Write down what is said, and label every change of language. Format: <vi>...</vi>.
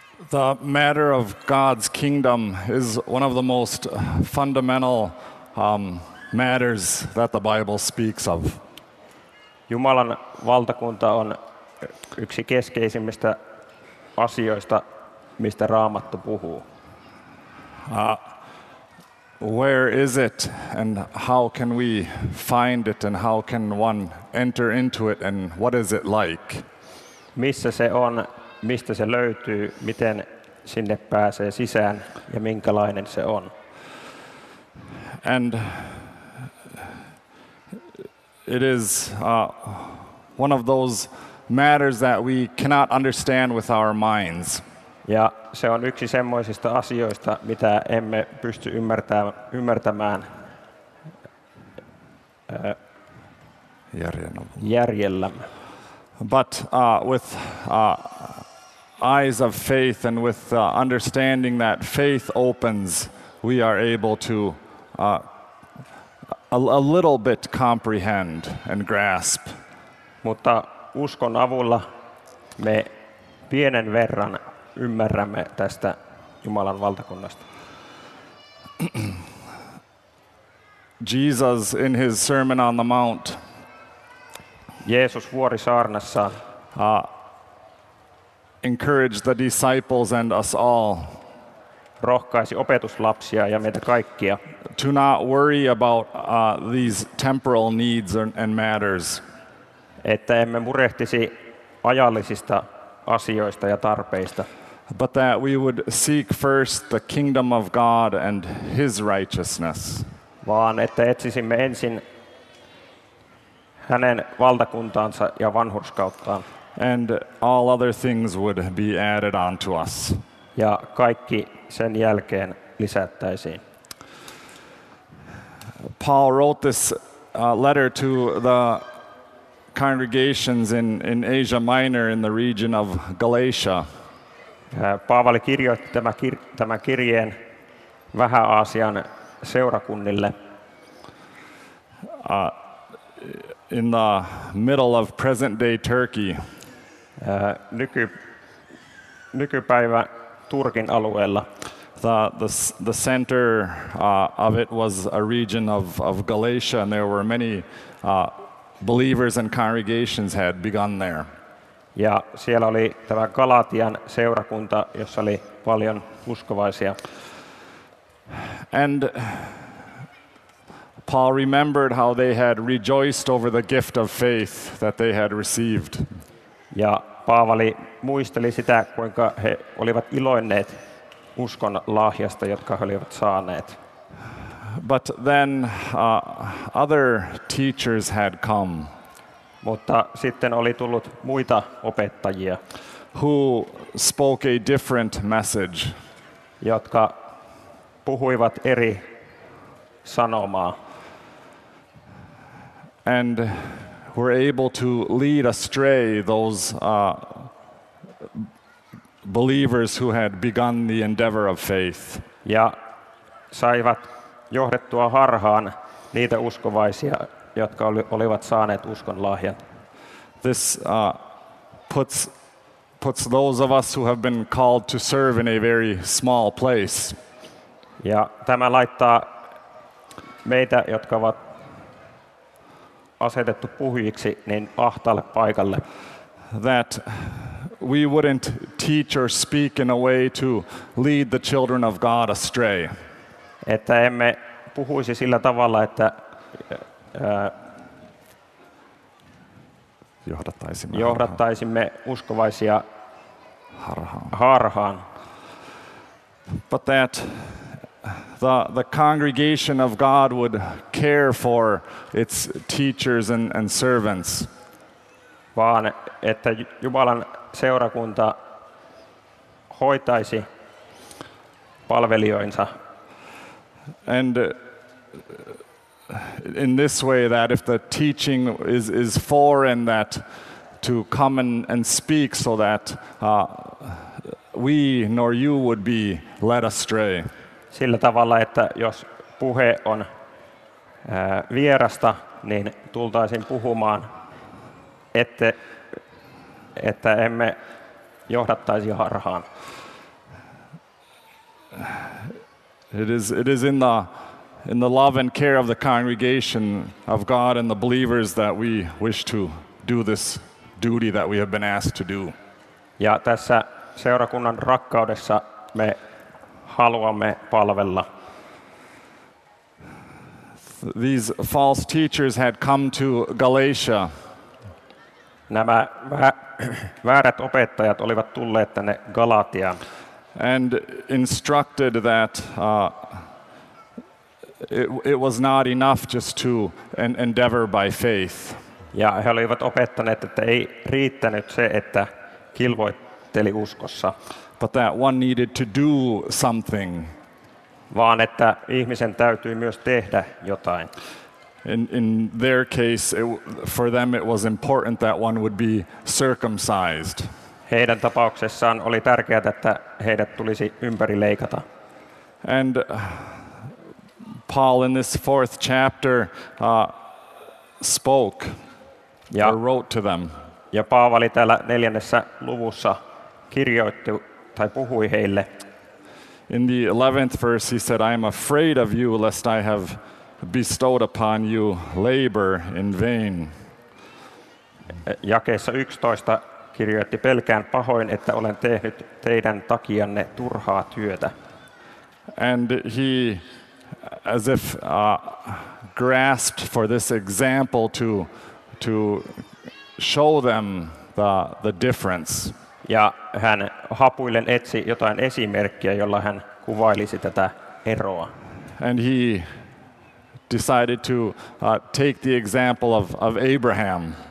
<en>The matter of God's kingdom is one of the most fundamental matters that the Bible speaks of.</en> <fi>Jumalan valtakunta on yksi keskeisimmistä asioista, mistä Raamattu puhuu.</fi> <en>Where is it and how can we find it and how can one enter into it and what is it like?</en> <fi>Missä se on, mistä se löytyy, miten sinne pääsee sisään ja minkälainen se on?</fi> <en>And it is one of those matters that we cannot understand with our minds.</en> <fi>Ja se on yksi semmoisista asioista, mitä emme pysty ymmärtämään järjellämme.</fi> <en>But with eyes of faith and with understanding that faith opens, we are able to a little bit comprehend and grasp.</en> <fi>Mutta uskon avulla me pienen verran ymmärrämme tästä Jumalan valtakunnasta.</fi> <en>Jesus in his Sermon on the Mount.</en> <fi>Jeesus vuorisaarnassa</fi> <en>encouraged the disciples and us all.</en> <fi>Rohkaisi opetuslapsia ja meitä kaikkia.</fi> <en>To not worry about these temporal needs and matters.</en> <fi>Että emme murehtisi ajallisista asioista ja tarpeista.</fi> <en>But that we would seek first the kingdom of God and his righteousness.</en> <fi>Vaan että etsisimme ensin hänen valtakuntaansa ja vanhurskauttaan.</fi> <en>And all other things would be added onto us.</en> <fi>Ja kaikki sen jälkeen lisättäisiin.</fi> <en>Paul wrote this letter to the congregations in Asia Minor in the region of Galatia.</en> <fi>Paavali kirjoitti tämän kirjeen Vähä-Aasian seurakunnille.</fi> <en>In the middle of present day Turkey.</en> <fi>Nykypäivä Turkin alueella.</fi> <en>The center of it was a region of Galatia, and there were many believers and congregations had begun there.</en> <fi>Ja siellä oli tämä Galatian seurakunta, jossa oli paljon uskovaisia.</fi> <en>And Paul remembered how they had rejoiced over the gift of faith that they had received.</en> <fi>Ja Paavali muisteli sitä, kuinka he olivat iloinneet uskon lahjasta, jotka he olivat saaneet.</fi> <en>But then other teachers had come.</en> <fi>Mutta sitten oli tullut muita opettajia,</fi> <en>who spoke a different message,</en> <fi>jotka puhuivat eri sanomaa,</fi> <en>and were able to lead astray those believers who had begun the endeavor of faith.</en> <fi>Ja saivat johdettua harhaan niitä uskovaisia, jotka olivat saaneet uskon lahjan.</fi> <en>This puts those of us who have been called to serve in a very small place.</en> <fi>Ja tämä laittaa meitä, jotka ovat asetettu puhujiksi, niin ahtaalle paikalle.</fi> <en>That we wouldn't teach or speak in a way to lead the children of God astray.</en> <fi>Että emme puhuisi sillä tavalla, että johdattaisimme uskovaisia harhaan.</fi> <en>But that the congregation of God would care for its teachers and servants.</en> <fi>Vaan että Jumalan seurakunta hoitaisi palvelijoinsa.</fi> <en>And in this way that if the teaching is foreign, that to come and speak so that we nor you would be led astray.</en> <fi>Sillä tavalla, että jos puhe on vierasta, niin tultaisin puhumaan, että emme johdattaisi harhaan.</fi> <en>It is in the love and care of the congregation of God and the believers that we wish to do this duty that we have been asked to do.</en> <fi>Ja tässä seurakunnan rakkaudessa me haluamme palvella.</fi> <en>These false teachers had come to Galatia.</en> <fi>Nämä väärät opettajat olivat tulleet tänne Galatiaan.</fi> <en>And instructed that it was not enough just to endeavor by faith.</en> <fi>Ja he olivat opettaneet, että ei riittänyt se, että kilvoitteli uskossa.</fi> <en>But that one needed to do something.</en> <fi>Vaan että ihmisen täytyy myös tehdä jotain.</fi> <en>In their case, for them it was important that one would be circumcised.</en> <fi>Heidän tapauksessaan oli tärkeää, että heidät tulisi ympärileikata.</fi> <en>And Paul in this fourth chapter spoke or wrote to them.</en> <fi>Ja Paavali täällä neljännessä luvussa kirjoitti tai puhui heille.</fi> <en>In the 11th verse he said, I am afraid of you lest I have bestowed upon you labor in vain.</en> <fi>Jakeessa 11 kirjoitti, pelkään pahoin, että olen tehnyt teidän takianne turhaa työtä.</fi> <en>And he, as if grasped for this example to show them the difference.</en> <fi>Ja hän hapuillen etsi jotain esimerkkiä, jolla hän kuvailisi tätä eroa.</fi> <en>And he decided to take the example of Abraham.</en>